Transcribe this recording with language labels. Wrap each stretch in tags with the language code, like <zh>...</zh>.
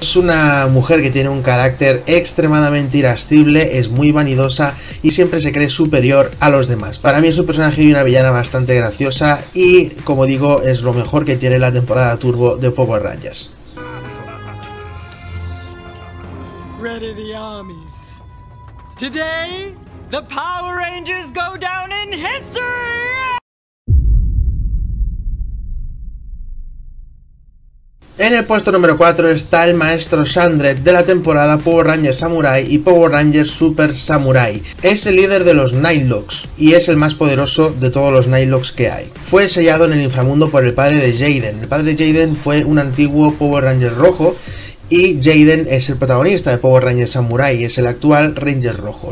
<es>Es una mujer que tiene un carácter extremadamente irascible, es muy vanidosa y siempre se cree superior a los demás. Para mí es un personaje y una villana bastante graciosa y, como digo, es lo mejor que tiene la temporada Turbo de Power Rangers.</es> <en>Ready the armies. Today, the Power Rangers go down in history.</en> <es>En el puesto número 4 está el Maestro Shandred de la temporada Power Rangers Samurai y Power Rangers Super Samurai. Es el líder de los Nightlocks y es el más poderoso de todos los Nightlocks que hay. Fue sellado en el inframundo por el padre de Jaden. El padre de Jaden fue un antiguo Power Ranger rojo y Jaden es el protagonista de Power Rangers Samurai, es el actual Ranger rojo.</es>